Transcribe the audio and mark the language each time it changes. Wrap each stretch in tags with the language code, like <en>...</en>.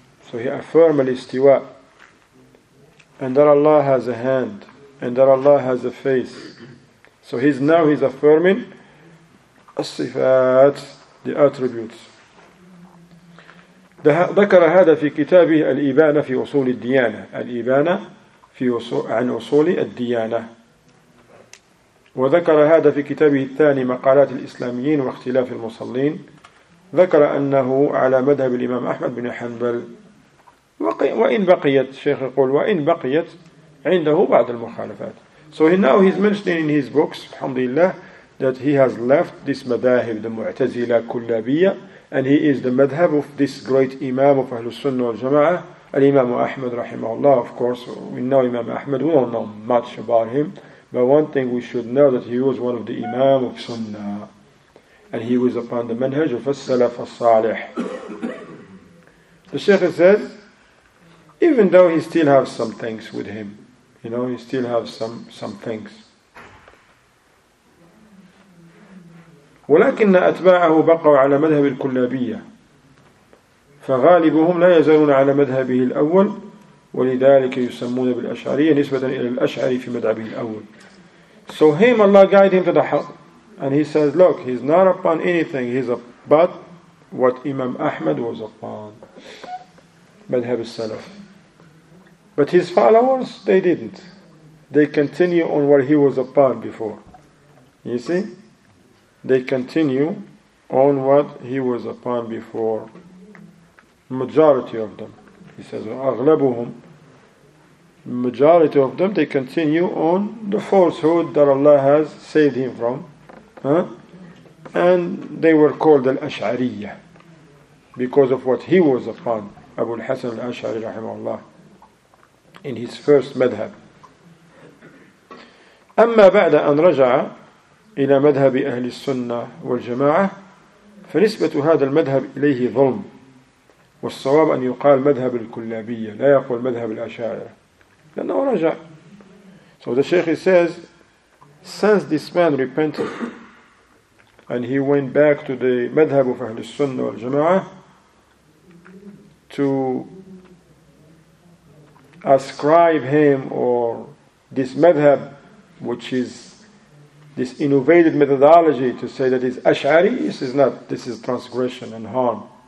<en>So he affirmed الاستواء. And that Allah has a hand, and that Allah has a face. So he's affirming الصفات, the attributes.</en> <ar>ذكر هذا في كتابه الإبانة في أصول الديانة. الإبانة في عن أصول الديانة. وذكر هذا في كتابه الثاني مقالات الإسلاميين واختلاف المصلين. ذكر أنه على مذهب الإمام أحمد بن حنبل. وإن بقيت شيخ يقول وإن بقيت عنده بعض المخالفات.</ar> <en>So now he's mentioning in his books, alhamdulillah, that he has left this madahib, the mu'tazila kullabiyya, and he is the madhab of this great imam of Ahlul Sunnah wal Jama'ah, al-imam Ahmad rahimahullah. Of course, we know Imam Ahmad, we don't know much about him, but one thing we should know that he was one of the imam of Sunnah, and he was upon the manhaj of as-salaf as-salih. The shaykh said, even though he still has some things with him, you know, he still has some things.</en> <ar>ولكن أتباعه بقوا على مذهب الكلابية فغالبهم لا يزالون على مذهبه الأول ولذلك يسمون بالأشعرية نسبة إلى الأشعري في مذهبه الأول.</ar> <en>So him, Allah guide him to the haq. And he says, look, he's not upon anything, he's a but what Imam Ahmad was upon,</en> <ar>مذهب السلف.</ar> <en>But his followers, they didn't. They continue on what he was upon before. You see? they continue on what he was upon before. Majority of them, he says, أغلبهم. Majority of them, they continue on the falsehood that Allah has saved him from. Huh? And they were called Al-Ash'ariyya because of what he was upon, Abu al-Hasan al-Ash'ari rahimahullah, in his first madhab.</en> <ar>أما بعد أن رجع إلى مذهب أهل السنة والجماعة فنسبة هذا المذهب إليه ظلم والصواب أن يقال مذهب الكلابية لا يقول مذهب الأشاعرة لأنه رجع.</ar> <en>So the Sheikh says, since this man repented and he went back to the madhab of</en> <ar>أهل السنة والجماعة</ar> <en>to ascribe him or this madhab, which is this innovative methodology, to say that it's Ash'ari, this is transgression and harm.</en>